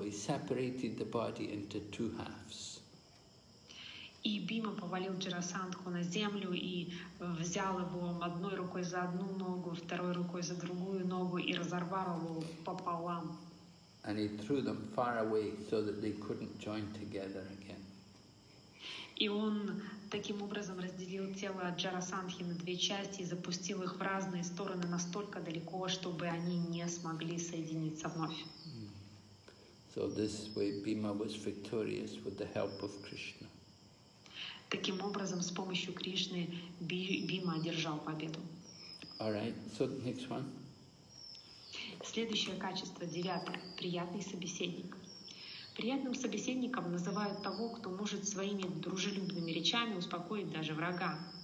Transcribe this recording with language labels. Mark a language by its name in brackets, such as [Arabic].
[English] He separated the body into two halves. [Russian] И Бима повалил Джарасандху на землю и взял его одной рукой за одну ногу, второй рукой за другую ногу и разорвал его пополам. [English] And he threw them far away so that they couldn't join together again. [Russian] И он таким образом разделил тело Джарасандхи на две части и запустил их в разные стороны настолько далеко, чтобы они не смогли соединиться вновь. [English] So this way Bhima was victorious with the help of Krishna. [Russian] Таким образом, с помощью Кришны Бхима одержал победу. [English] All right, so next one. [Russian] Следующее качество, девятое, приятный собеседник. Приятным собеседником называют того, кто может своими дружелюбными речами успокоить даже врага.